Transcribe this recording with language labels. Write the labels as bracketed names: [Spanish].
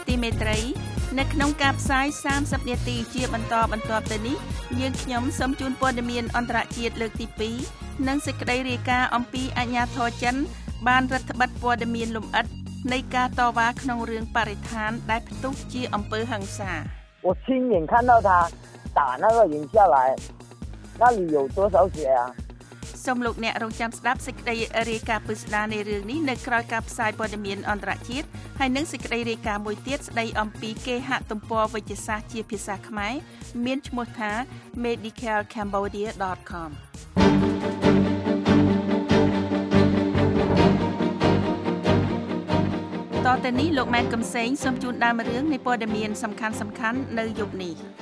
[Khmer] មេត្រីនៅក្នុងការផ្សាយ30នាទីជាបន្តបន្តទៅនេះយើងខ្ញុំសូមជូនព័ត៌មានអន្តរជាតិលើកទី2និងសេចក្តីរាយការណ៍អំពីអាជ្ញាធរចិនបានរដ្ឋបិទព័ត៌មានលំអិតនៃការតវ៉ាក្នុងរឿងបរិស្ថានដែលផ្ទុះជាអំពើហិង្សា [Chinese] 我亲眼看到他打那个人下来那里有多少血啊 [Khmer] សូមលោកអ្នករងចាំស្ដាប់សេចក្តីរាយការណ៍ពិស្ដានៃរឿងនេះនៅក្រោយការផ្សាយព័ត៌មានអន្តរជាតិហើយនឹងសេចក្តីរាយការណ៍មួយទៀតស្ដីអំពីគេហទំព័រវេជ្ជសាស្ត្រជាភាសាខ្មែរមានឈ្មោះថា medicalcambodia.com តទៅនេះលោកម៉ែនកំសែងសូមជូនដើមរឿងនៃព័ត៌មានសំខាន់ៗនៅយប់នេះ